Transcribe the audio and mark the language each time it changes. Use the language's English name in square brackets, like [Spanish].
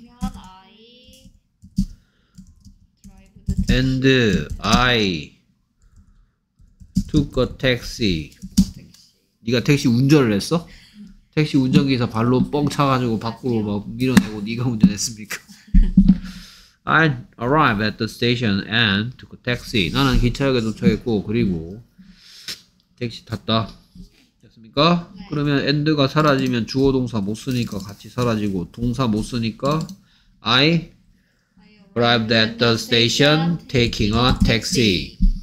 [English] I and I took a taxi. [Korean] 네가 택시 운전을 했어? 택시 운전기사 발로 뻥 차가지고 밖으로 막 밀어내고 네가 운전했습니까? [English] I arrived at the station and took a taxi. [Korean] 나는 기차역에 도착했고 그리고 택시 탔다. 네. 그러면 and가 사라지면 주어 동사 못 쓰니까 같이 사라지고 동사 못 쓰니까 [English] I arrived at the station taking a taxi.